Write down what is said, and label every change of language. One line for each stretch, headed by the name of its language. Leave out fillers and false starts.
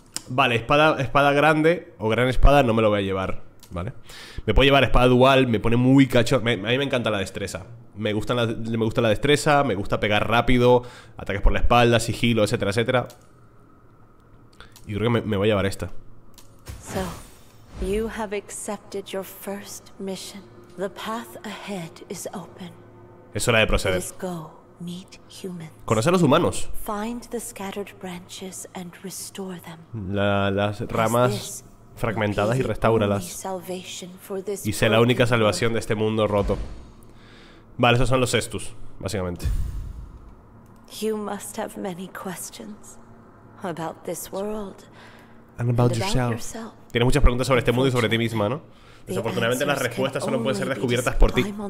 Spanish: Vale, espada grande o gran espada no me lo voy a llevar, ¿vale? Me puedo llevar espada dual, me pone muy cacho. A mí me encanta la destreza. Me gusta la destreza, me gusta pegar rápido, ataques por la espalda, sigilo, etcétera, etcétera. Y creo que me voy a llevar esta.
English: So, you have accepted your first mission. The path ahead is open.
Spanish: Es hora de proceder.
English: Let's go. Meet humans.
Spanish: Conocer a los humanos.
English: Find the scattered branches and restore them.
Spanish: Las ramas fragmentadas y restáuralas. Y sé la única salvación de este mundo roto. Vale, esos son los cestus, básicamente.
English: You must have many questions. about this world and about yourself.
Spanish: Tienes muchas preguntas sobre este mundo y sobre ti misma, ¿no? Desafortunadamente las respuestas solo pueden ser descubiertas por ti.